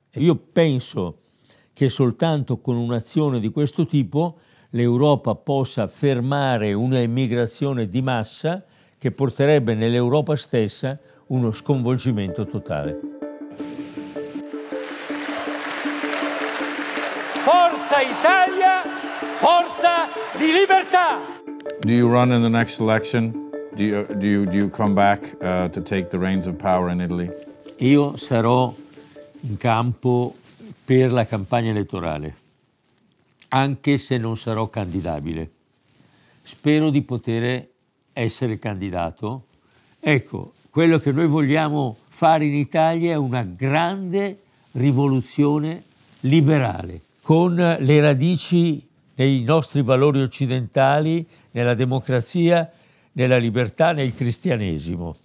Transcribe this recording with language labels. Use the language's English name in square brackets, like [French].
[Italian] Io penso che soltanto con un'azione di questo tipo l'Europa possa fermare una immigrazione di massa che porterebbe nell'Europa stessa uno sconvolgimento totale. Forza Italia, forza di libertà! [English] Do you run in the next election? Do you come back to take the reins of power in Italy? [Italian] Io sarò in campo per la campagna elettorale, anche se non sarò candidabile. Spero di poter essere candidato. Ecco, quello che noi vogliamo fare in Italia è una grande rivoluzione liberale, con le radici nei nostri valori occidentali, nella democrazia, nella libertà, nel cristianesimo.